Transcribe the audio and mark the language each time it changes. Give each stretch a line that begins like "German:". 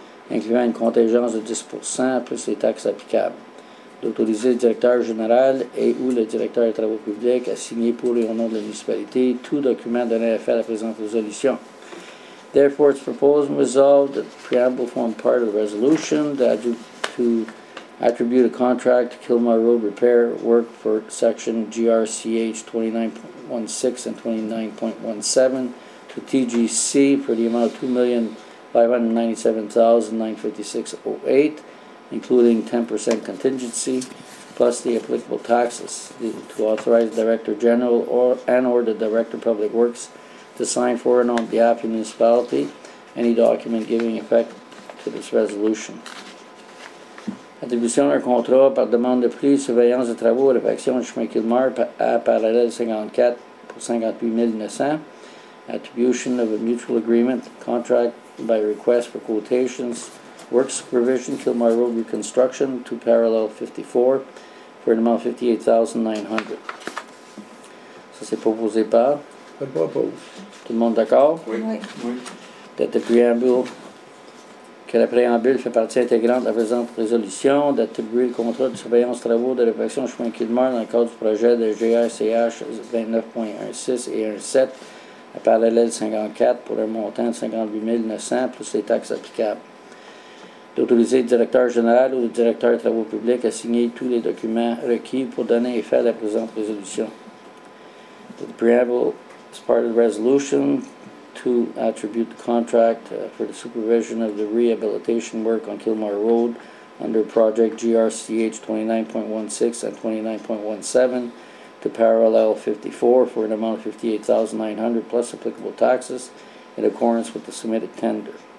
French: Incluant une contingence de 10% plus les taxes applicables, d'autoriser le directeur général et ou le directeur des travaux publics à signer pour et au nom de la municipalité tout document donné à faire la présente résolution.
English: Therefore, it's proposed and resolved that the preamble form part of the resolution to attribute a contract to Kilmore Road Repair Work for section GRCH 29.16 and 29.17 to TGC for the amount of $2,597,956.08, including 10% contingency, plus the applicable taxes, to authorize the Director General or the Director of Public Works to sign for and on behalf of the municipality any document giving effect to this resolution.
French: Attribution d'un contrat par demande de prix, surveillance de travaux, réfection du chemin Kilmore à parallèle 54 pour 58,900.
English: Attribution of a mutual agreement, contract by request for quotations, work supervision, Kilmore Road reconstruction to parallel 54 for an amount of $58,900.
French: Ça, c'est proposé par? Je propose. Tout le monde d'accord? Oui.
English: That the preamble,
French: que la préambule fait partie intégrante de la présente résolution d'attribuer le contrat de surveillance travaux de réfection chemin Kilmore dans le cadre du projet de GRCH 29.16 et 17. À parallèle 54 pour un montant de 58,900 plus les taxes applicables. D'autoriser le directeur général ou le directeur des travaux publics à signer tous les documents requis pour donner effet à la présente résolution.
English: The preamble is part of the resolution to attribute the contract for the supervision of the rehabilitation work on Kilmore Road under project GRCH 29.16 and 29.17. To parallel 54 for an amount of $58,900 plus applicable taxes in accordance with the submitted tender.